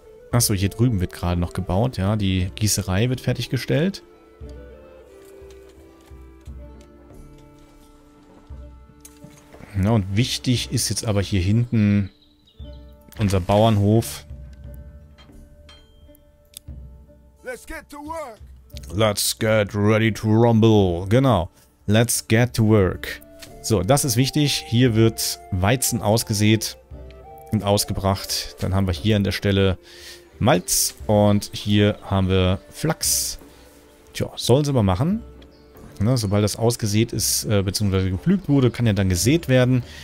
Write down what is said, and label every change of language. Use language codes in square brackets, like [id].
[de] Achso, hier drüben wird gerade noch gebaut. Ja, die Gießerei wird fertiggestellt. Na, und wichtig ist jetzt aber hier hinten unser Bauernhof. [en] Let's get to work. Let's get ready to rumble. [de] Genau. [en] Let's get to work. [de] So, das ist wichtig. Hier wird Weizen ausgesät und ausgebracht. Dann haben wir hier an der Stelle Malz und hier haben wir Flachs. Tja, sollen sie mal machen. Ne, sobald das ausgesät ist, beziehungsweise gepflügt wurde, kann ja dann gesät werden.